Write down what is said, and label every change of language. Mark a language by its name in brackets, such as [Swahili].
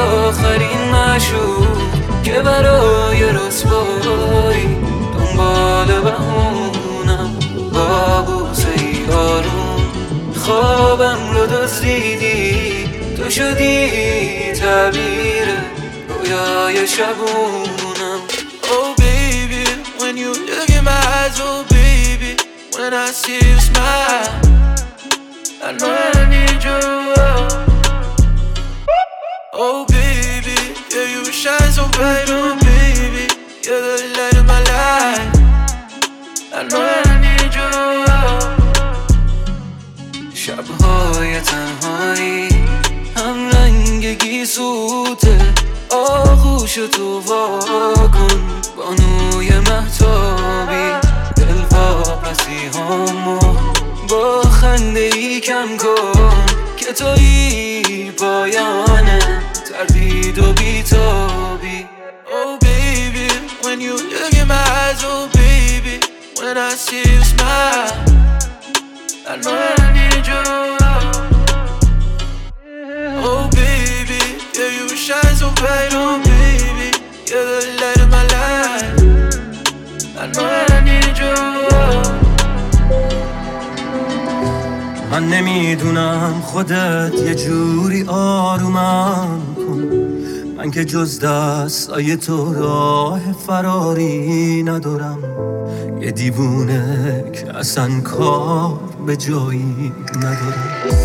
[Persian] آخرین معشوق که برای رسوایی دنبال بهونم، با بوسه ای آروم خوابم رو دزدیدی، تو شدی تعبیر رویای شبونم. [English] Oh baby when you look in my eyes, oh baby when I see you smile, I know I need you. Oh baby, yeah you shine so bright. Oh baby, you're the light of my life, I know I need you. [Persian] شبهای تنهایی هم رنگ گیسوته، آغوش تو وا کن بانوی مهتابی، دل وا پسی همو با خنده ای کم کن، که تویی پایانه تردید و بیتابی. [English] Oh baby when you look in my eyes, oh baby when I see you smile, I know I need you. Oh baby yeah you shine so bright, oh baby you're the light of my life, I know I need you. [Persian] من نمیدونم خودت یه جوری آرومم کن، من که جز دستای تو راه فراری ندارم، یه دیوونه که اصلا کار به جایی ندارم.